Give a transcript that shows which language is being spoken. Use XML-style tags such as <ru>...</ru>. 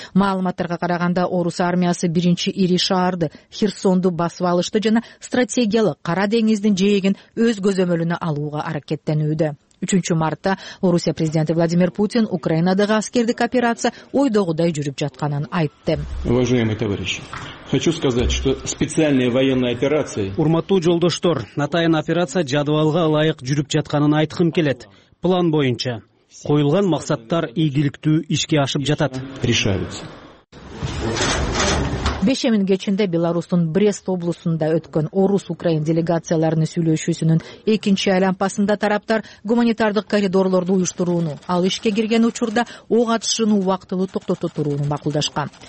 <ky>Маалыматтарга караганда орус армиясы биринчи ири шаарды Херсонду басып алышты жана стратегиялык Кара деңиздин жээгин өз көзөмөлүнө алууга аракеттенүүдө. 3 мартта Орусия президенти Владимир Путин Украинадагы аскердик операция ойдогудай жүрүп жатканын айтты.</ky> <ru>Уважаемые товарищи, хочу сказать, что специальные военные операции...</ru> <ky>Урматтуу жолдоштор, атайын операция жадыбалга ылайык жүрүп жатканын айткым келет. План боюнча коюлган максаттар ийгиликтүү ишке ашып жатат.</ky> <ru>Решаются.</ru> <ky>5000 кечинде Беларусьтун Брест облусунда өткөн орус-украин делегацияларынын сүйлөшүүсүнүн экинчи айлампасында тараптар гуманитардык коридорлорду уюштурууну, ал ишке кирген учурда ок атышууну убактылуу токтото турууну макулдашкан.</ky>